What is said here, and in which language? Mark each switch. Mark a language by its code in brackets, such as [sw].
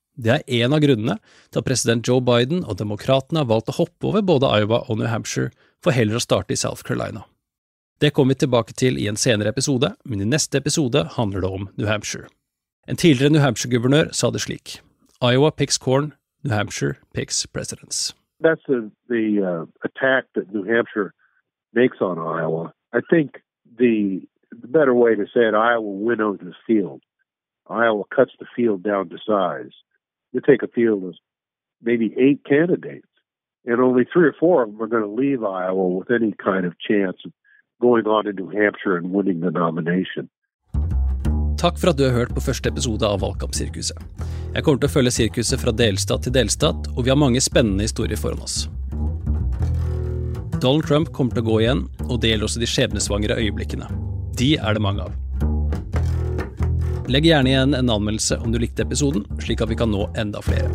[no] Det en av grunnene til at president Joe Biden og demokraterne har valgt å hoppe over både Iowa og New Hampshire for heller å starte I South Carolina. Det kommer vi tilbake til I en senere episode, men I neste episode handler det om New Hampshire. En tidligere New Hampshire-guvernør sa det slik. [en] Iowa picks corn, New Hampshire picks presidents. That's the attack that New Hampshire makes on Iowa. I think the better way to say it, Iowa winnows the field. Iowa cuts the field down to size. You take a field of maybe 8 candidates, and only 3 or 4 of them are going to leave Iowa with any kind of chance of going on to New Hampshire and winning the nomination. [no] Takk for at du har hørt på første episode av Valgkampsirkuset. Jeg kommer til å følge sirkuset fra delstat til delstat, og vi har mange spennende historier foran oss. Donald Trump kommer til å gå igjen, og det gjelder også de skjebnesvangre øyeblikkene. De det mange av. Legg gjerne igjen en anmeldelse om du likte episoden, slik at vi kan nå enda flere.